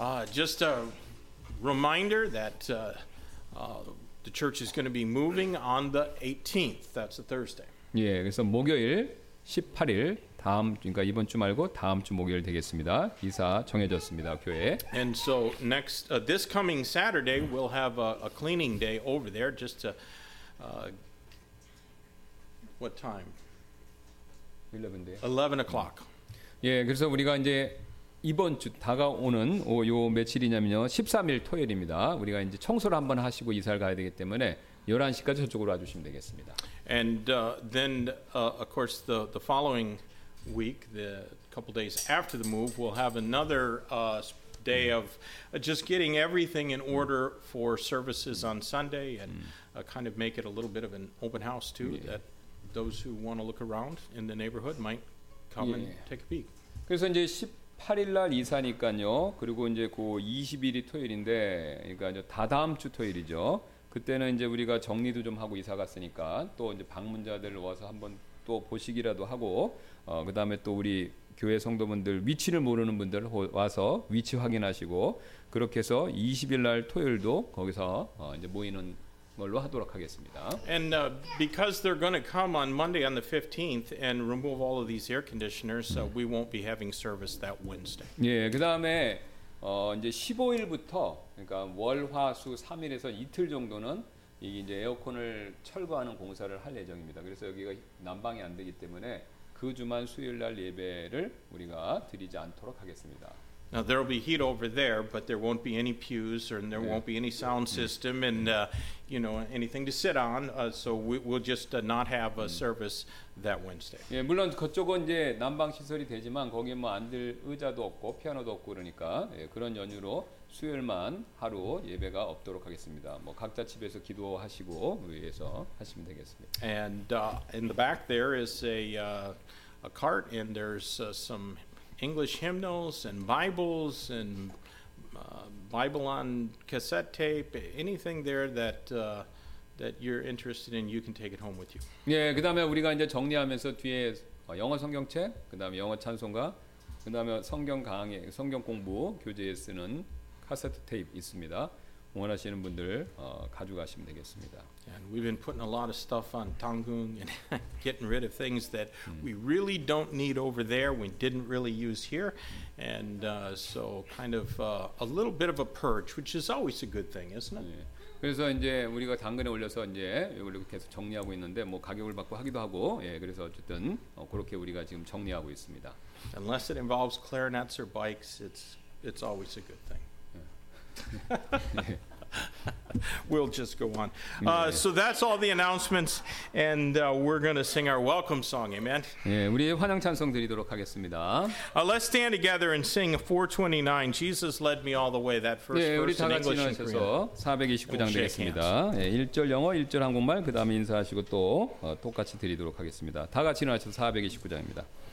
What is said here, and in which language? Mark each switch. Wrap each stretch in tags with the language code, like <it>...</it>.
<en>Just a reminder that the church is going to be moving on the 18th. That's a Thursday.</en> <ko>예, 그래서 목요일 18일 다음 그러니까 이번 주 말고 다음 주 목요일 되겠습니다. 이사 정해졌습니다. 교회.</ko> <en>And so next this coming Saturday we'll have a cleaning day over there just to what time? 11 o'clock.</en> <ko>예, 그래서 우리가 이제 이번 주 다가오는 요 며칠이냐면요, 13일 토요일입니다. 우리가 이제 청소를 한번 하시고 이사를 가야 되기 때문에 11시까지 저쪽으로 와주시면 되겠습니다.</ko> <en>And then, of course, the following week, the couple days after the move, we'll have another day of just getting everything in order for services on Sunday and kind of make it a little bit of an open house too, that those who want to look around in the neighborhood might. Come and take a peek.</en> <ko>그래서 이제 18일 날 이사니까요. 그리고 이제 그 21일이 토요일인데, 그러니까 이제 다다음 주 토요일이죠. 그때는 이제 우리가 정리도 좀 하고 이사 갔으니까 또 이제 방문자들 와서 한번 또 보시기라도 하고, 그 다음에 또 우리 교회 성도분들 위치를 모르는 분들 와서 위치 확인하시고 그렇게 해서 20일 날 토요일도 거기서 이제 모이는 걸로 하도록 하겠습니다.</ko> <en>And because they're going to come on Monday on the 15th and remove all of these air conditioners, so we won't be having service that Wednesday.</en> <ko>예, 그다음에 이제 15일부터 그러니까 월화수 3일에서 이틀 정도는 이게 이제 에어컨을 철거하는 공사를 할 예정입니다. 그래서 여기가 난방이 안 되기 때문에 그 주만 수요일 날 예배를 우리가 드리지 않도록 하겠습니다.</ko> <en>Now there will be heat over there, but there won't be any pews, or there won't be any sound system, and you know anything to sit on. So we'll just not have a service that Wednesday.</en> <ko>예, 물론 그쪽은 이제 난방 시설이 되지만 거기 뭐 앉을 의자도 없고 피아노도 없고 그러니까 예, 그런 연유로 수요일만 하루 예배가 없도록 하겠습니다. 뭐 각자 집에서 기도하시고 위에서 하시면 되겠습니다.</ko> <en>And in the back there is a cart, and there's some. English hymnals and Bibles and Bible on cassette tape, anything there that that you're interested in, you can take it home with you.</en> <ko>예, 그다음에 우리가 이제 정리하면서 뒤에 영어 성경책, 그다음에 영어 찬송가, 그다음에 성경 강의, 성경 공부 교재에 쓰는 카세트 테이프 있습니다. 원하시는 분들 가져가시면 되겠습니다.</ko> <en>And we've been putting a lot of stuff on Tanggung and getting rid of things that we really don't need over there, we didn't really use here, and so kind of a little bit of a purge, which is always a good thing, isn't it?</en> <ko>그래서 이제 우리가 당근에 올려서 이제 이걸로 계속 정리하고 있는데 뭐 가격을 받고 하기도 하고 예 그래서 어쨌든 그렇게 우리가 지금 정리하고 있습니다.</ko> <en>Unless it involves clarinets or bikes, it's always a good thing. We'll just go on. So that's all the announcements, and we're going to sing our welcome song. Amen.</en> <ko>예, 우리 환영 찬송 드리도록 하겠습니다.</ko> <en>Let's stand together and sing 429. Jesus led me all the way. That first verse in English and Korean.</en> <ko>예, 우리 찬양 신원에서 429장 되겠습니다. 예, 1절 영어, 1절 한국말, 그다음 인사하시고 또 똑같이 드리도록 하겠습니다. 다 같이 신원하셔서 429장입니다.</ko>